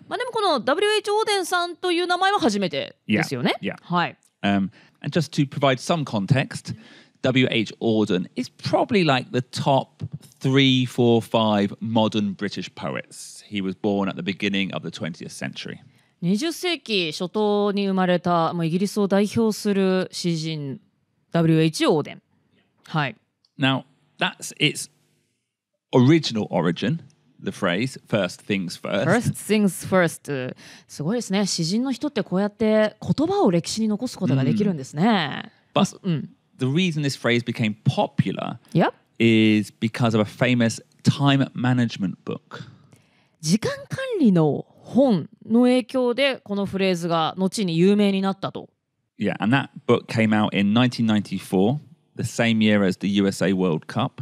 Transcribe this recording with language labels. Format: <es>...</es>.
<ja>まあでもこの W.H. Oden さんという名前は初めてですよね。</ja> <en>Yeah.</en> <ja>はい。</ja> <en>And just to provide some context, W.H. Auden is probably like the top 3, 4, 5 modern British poets. He was born at the beginning of the 20th century.</en> <ja>20世紀初頭に生まれた、もうイギリスを代表する詩人 W.H. Auden。 はい。</ja> <en>Now, that's its original origin, the phrase, first things first. First things first.</en> <ja>すごいですね。詩人の人ってこうやって言葉を歴史に残すことができるんですね。</ja> <en>But the reason this phrase became popular、 yep. is because of a famous time management book.</en> <ja>時間管理の本の影響でこのフレーズが後に有名になったと。</ja> <en>Yeah, and that book came out in 1994. The same year as the USA World Cup.</en>